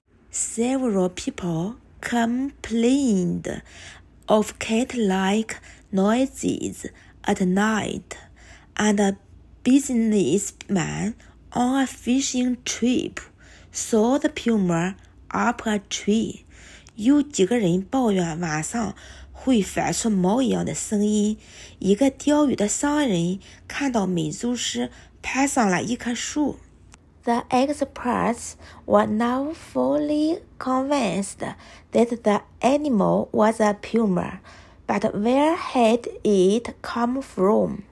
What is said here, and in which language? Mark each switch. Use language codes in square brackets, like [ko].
[en] Several people complained of cat-like noises at night, and a businessman on a fishing trip saw the puma up a tree. [zh] 有几个人抱怨晚上会发出猫一样的声音，一个钓鱼的商人看到美洲狮爬上了一棵树。 [en] The experts were now fully convinced that the animal was a puma, but where had it come from?